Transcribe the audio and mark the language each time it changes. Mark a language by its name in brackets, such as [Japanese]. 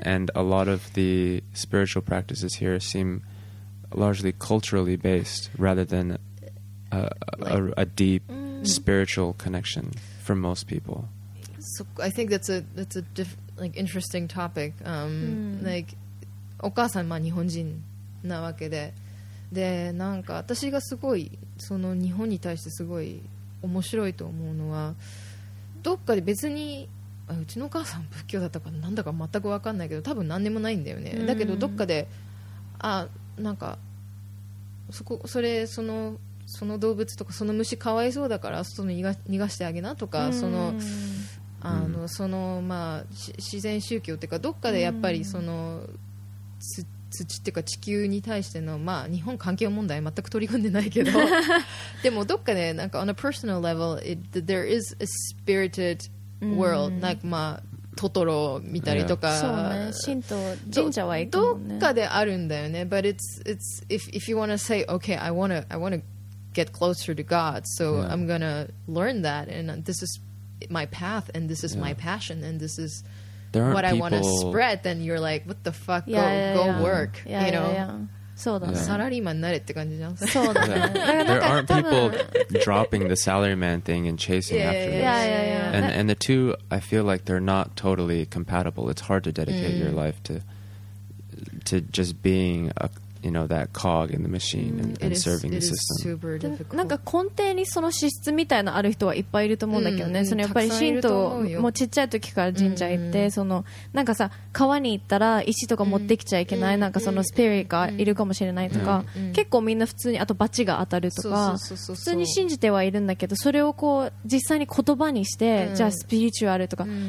[English] and a lot of the spiritual practices here seem largely culturally based rather than a deep spiritual connection. For most people, so I think that's a like interesting topic. [Japanese] Like, お母さんは日本人なわけで、でなんか私がすごいその日本に対してすごい面白いと思うのは、どっかで別にうちのお母さん仏教だったかなんだか全く分かんないけど、多分何でもないんだよね。だけどどっかで、あ、なんかそこ、それそのその動物とかその虫かわいそうだから外に逃がしてあげなとか、その、まあ、自然宗教というか、どっかでやっぱりその土というか地球に対しての、まあ、日本環境問題全く取り組んでないけどでもどっかでなんか [English] on a personal level there is a spirited world [Japanese] なんか、まあ、トトロを見たりとか、そうね、神道神社は行くもんね、どっかであるんだよね。 [English] But it's if you want to say okay, I want to get closer to God, so I'm gonna learn that, and this is my path, and this is my passion, and this is what I want to spread. Then you're like, what the fuck? Go work. Yeah, you know, [Japanese] そうだね。サラリーマンになれって感じじゃん。そうだね。 [English] There aren't people dropping the salaryman thing and chasing after this. Yeah. And the two, I feel like they're not totally compatible. It's hard to dedicate your life to just being a you know, that cog in the machine and, and serving the system. [Japanese] なんか根底にその資質みたいなある人はいっぱいいると思うんだけどね。そのやっぱり神道もちっちゃい時から神社行って、そのなんかさ川に行ったら石とか持ってきちゃいけない、なんかそのスピリットがいるかもしれないとか、結構みんな普通に、あとバチが当たるとか、普通に信じてはいるんだけど、それをこう実際に言葉にして、じゃあスピリチュアルとか。